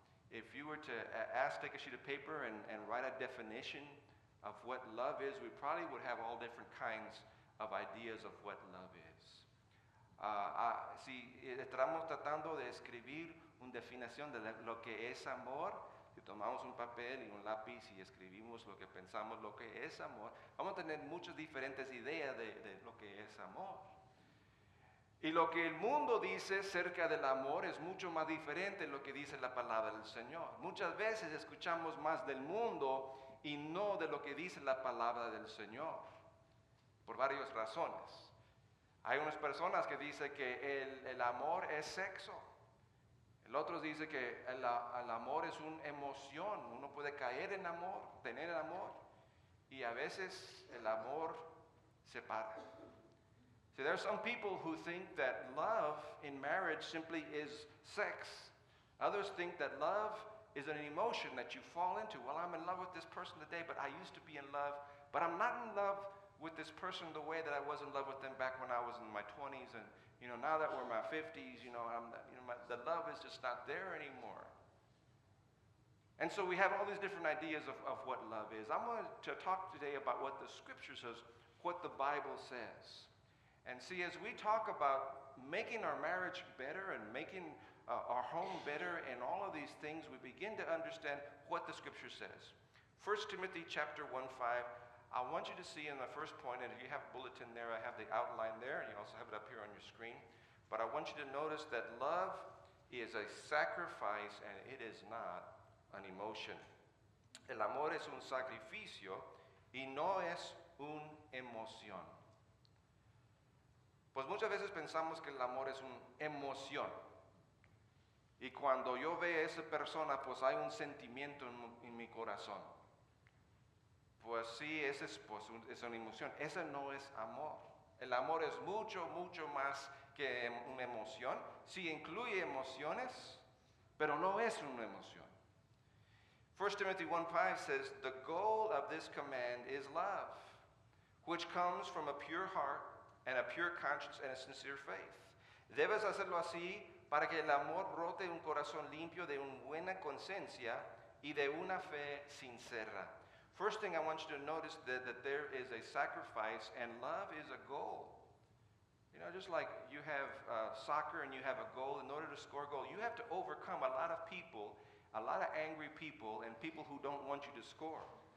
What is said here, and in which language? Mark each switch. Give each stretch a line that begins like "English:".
English: If you were to ask, take a sheet of paper and write a definition of what love is, we probably would have all different kinds of ideas of what love is.
Spanish: Si estamos tratando de escribir una definición de lo que es amor, si tomamos un papel y un lápiz y escribimos lo que pensamos, lo que es amor, vamos a tener muchas diferentes ideas de lo que es amor. Y lo que el mundo dice acerca del amor es mucho más diferente de lo que dice la palabra del Señor. Muchas veces escuchamos más del mundo y no de lo que dice la palabra del Señor, por varias razones. Hay unas personas que dicen que el amor es sexo. El otro dice que el amor es una emoción. Uno puede caer en amor, tener el amor, y a veces el amor se para.
English: See, there are some people who think that love in marriage simply is sex. Others think that love is an emotion that you fall into. Well, I'm in love with this person today, but I used to be in love. But I'm not in love with this person the way that I was in love with them back when I was in my 20s. And, you know, now that we're in my 50s, you know, the love is just not there anymore. And so we have all these different ideas of what love is. I'm going to talk today about what the Scripture says, what the Bible says. And see, as we talk about making our marriage better and making our home better and all of these things, we begin to understand what the Scripture says. 1 Timothy chapter 1:5, I want you to see in the first point, and if you have a bulletin there, I have the outline there, and you also have it up here on your screen. But I want you to notice that love is a sacrifice and it is not an emotion.
Spanish: El amor es un sacrificio y no es una emoción. Pues muchas veces pensamos que el amor es una emoción. Y cuando yo veo a esa persona, pues hay un sentimiento en mi corazón. Pues sí, esa es, pues, es una emoción. Ese no es amor. El amor es mucho, mucho más que una emoción. Sí, incluye emociones, pero no es una emoción.
English: 1 Timothy 1:5 says, "The goal of this command is love, which comes from a pure heart, and a pure conscience and a sincere faith."
Spanish: Debes hacerlo así para que el amor brote un corazón limpio de una buena conciencia y de una fe sincera.
English: First thing I want you to notice that there is a sacrifice and love is a goal. You know, just like you have soccer and you have a goal, in order to score a goal, you have to overcome a lot of people, a lot of angry people and people who don't want you to score.